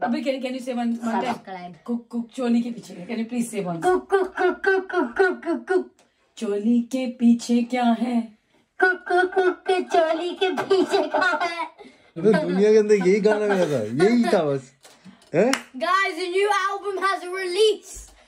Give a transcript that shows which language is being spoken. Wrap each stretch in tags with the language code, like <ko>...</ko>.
<hi>अभी</hi> <en>can you say one time? Subscribe. Cook cook</en> <hi>चोली के पीछे,</hi> <en>can you please say once? Cook cook cook cook cook cook cook cook.</en> <hi>चोली के पीछे क्या है? कुकू कुकू चोली के पीछे क्या है? अबे दुनिया के अंदर यही गाना गया था, यही था बस।</hi> <en>Guys, the new album has a release.</en>